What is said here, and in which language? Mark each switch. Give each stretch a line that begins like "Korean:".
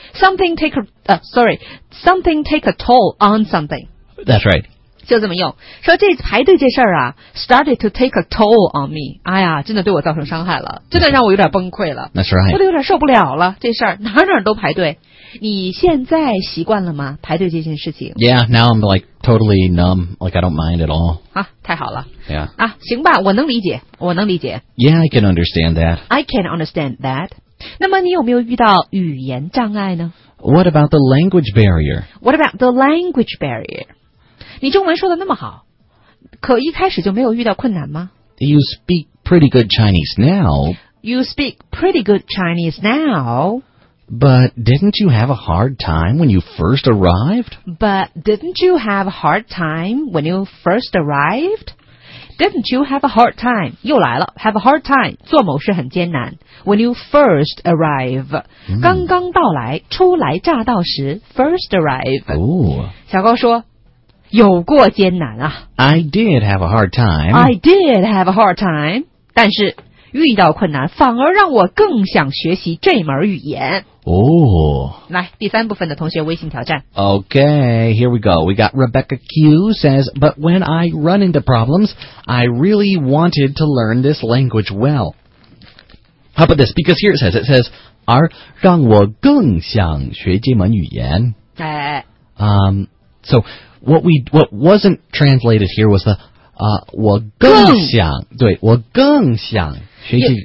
English: Something take a toll on something. That's right.
Chinese: 就这么用，说这排队这事儿啊
English: started to take a toll on me，
Chinese: 哎呀真的对我造成伤害了，真的让我有点崩溃了，那是我都有点受不了了，这事儿哪哪都排队，你现在习惯了吗排队这件事情？
English: Yeah, now I'm like totally numb, like I don't mind at all.
Chinese: 啊太好了。
English: Yeah.
Chinese: 啊行吧，我能理解，我能理解。
English: Yeah, I can understand that. I can understand that.
Chinese: 那么你有没有遇到语言障碍呢？
English: What about the language barrier? What about the language barrier?
Chinese: 你中文说的那么好，可一开始就没有遇到困难吗？
English: You speak pretty good Chinese now. You speak pretty good Chinese now. But didn't you have a hard time when you first arrived? But didn't you have a hard time when you first arrived? Didn't you have a hard time?
Chinese: 又来了
English: ,have a hard time,
Chinese: 做某事很艰难。
English: When you first arrive,、mm.
Chinese: 刚刚到来，初来乍到时
English: ,first arrive.、 Ooh.
Chinese: 小高说有过艰难啊。
English: I did have a hard time. I did have a hard time.
Chinese: 但是遇到困难反而让我更想学习这门语言。哦、oh.。来第三部分的同学微信挑战。
English: Okay, here we go. We got Rebecca Q says, but when I run into problems, I really wanted to learn this language well. How about this? Because here it says,
Chinese: 而让我更想学这门语言。哎。
English: So,What wasn't translated here was the,
Chinese: 我更想，对，我更想学习。